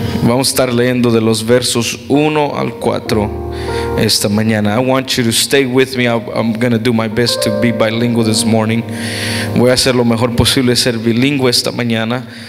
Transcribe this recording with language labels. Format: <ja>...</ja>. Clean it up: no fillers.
<es>Vamos a estar leyendo de los versos 1 al 4 esta mañana.</es> <en>I want you to stay with me. I'm going to do my best to be bilingual this morning.</en> <es>Voy a hacer lo mejor posible de ser bilingüe esta mañana.</es>